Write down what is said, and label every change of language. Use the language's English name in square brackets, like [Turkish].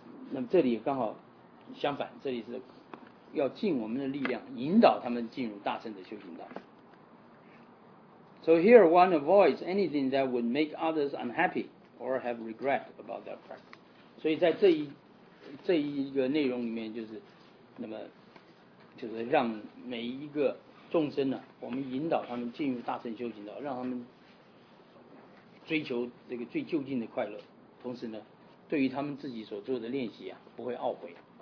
[Chinese] 那么这里刚好相反，这里是要尽我们的力量引导他们进入大乘的修行道。 [English] So here one avoids anything that would make others unhappy or have regret about their practice. [Chinese] 所以在这一个内容里面，就是让每一个众生呢、啊，我们引导他们进入大乘修行道，让他们追求这个最究竟的快乐，同时呢，对于他们自己所做的练习啊，不会懊悔。